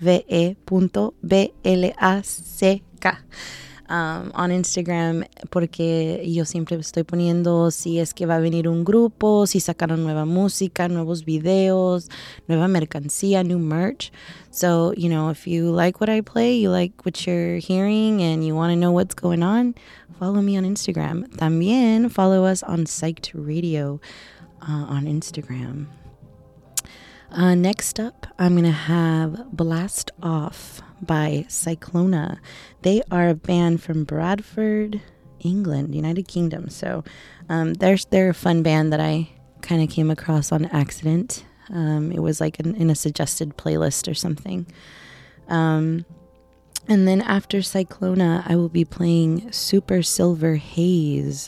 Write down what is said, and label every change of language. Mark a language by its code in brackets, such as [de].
[es] olive.black [en] on Instagram, [es] porque yo siempre estoy poniendo si es que va a venir un grupo, si sacaron nueva música, nuevos videos, nueva mercancía, [en] new merch. So, you know, if you like what I play, you like what you're hearing, and you want to know what's going on, follow me on Instagram. [es] También [en] follow us on Psyched Radio on Instagram. Next up, I'm going to have Blast Off by Cyclona. They are a band from Bradford, England, United Kingdom. So they're a fun band that I kind of came across on accident. It was like in a suggested playlist or something. And then after Cyclona, I will be playing Super Silver Haze.